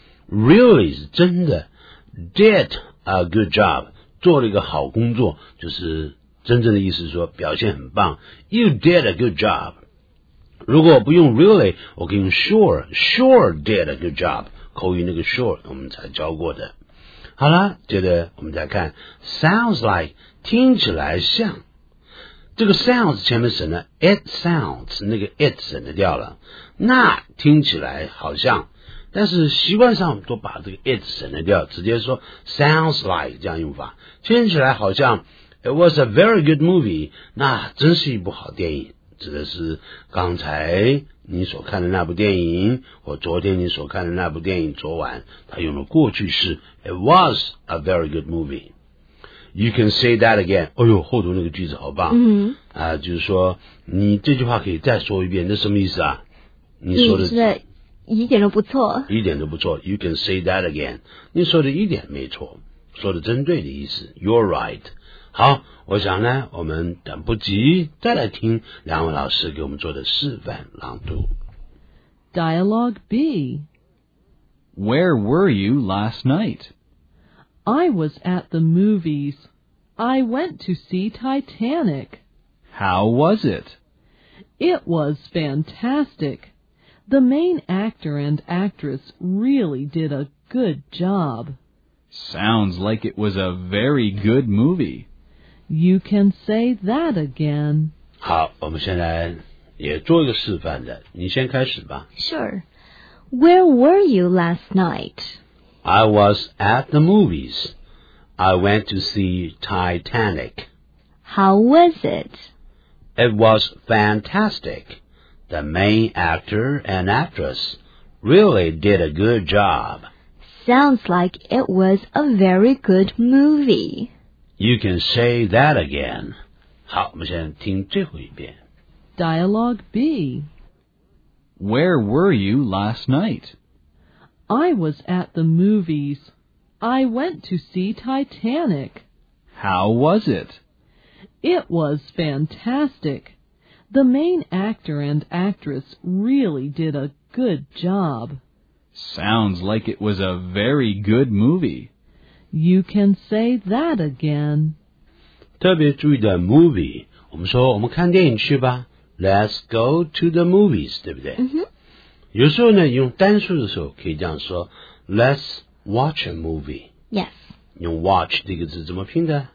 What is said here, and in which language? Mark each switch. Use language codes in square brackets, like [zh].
[zh] Really 是真的 ， [en] did a good job， [zh] 做了一个好工作，就是真正的意思说表现很棒。 [en] You did a good job。 [zh] 如果不用 really， 我可以用 sure。 [en] Sure did a good job， [zh] 口语那个 sure 我们才教过的。好了，接着我们再看 ， [en] sounds like [zh] 听起来像。这个 sounds 前面省了 [en] it sounds， [zh] 那个 it 省得掉了，那听起来好像，但是习惯上都把这个 it 省得掉，直接说 [en] sounds like [zh] 这样用法，听起来好像 [en] it was a very good movie， [zh] 那真是一部好电影，指的是刚才你所看的那部电影，或昨天你所看的那部电影，昨晚他用了过去式 [en] it was a very good movieYou can say that again. [zh] 哎呦，后头那个句子好棒。 Mm-hmm. 就是说你这句话可以再说一遍，那什么意思啊？你说的一点都不错。一点都不错。 [en] You can say that again. [zh] 你说的一点没错，说的针对的意思。 [en] You're right. [zh] 好，我想呢，我们等不及再来听两位老师给我们做的示范朗读。 [en] Dialogue B. Where were you last night? I was at the movies. I went to see Titanic. How was it? It was fantastic. The main actor and actress really did a good job. Sounds like it was a very good movie. You can say that again. [zh] 好，我们现在也做一个示范的，你先开始吧。 [en] Sure. Where were you last night? I was at the movies. I went to see Titanic. How was it? It was fantastic. The main actor and actress really did a good job. Sounds like it was a very good movie. You can say that again. [zh] 好，我们先听最后一遍。 [en] Dialogue B. Where were you last night? I was at the movies. I went to see Titanic. How was it? It was fantastic. The main actor and actress really did a good job. Sounds like it was a very good movie. You can say that again. [zh] 特别注意的 movie, 我们说我们看电影去吧。 [en] Let's go to the movies, [zh] 对不对、 mm-hmm. 有时候呢用单数的时候可以这样说 [en] Let's watch a movie. Yes. [zh] 用 watch 这个字怎么拼的